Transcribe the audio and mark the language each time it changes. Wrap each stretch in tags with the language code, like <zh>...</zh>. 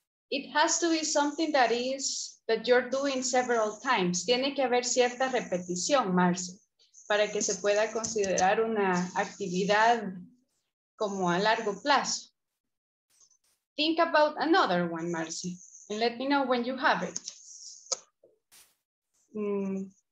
<en>It has to be something that is, that you're doing several times.</en> <es>Tiene que haber cierta repetición, Marce, para que se pueda considerar una actividad como a largo plazo.</es> <en>Think about another one, Marcy, and let me know when you have it.</en>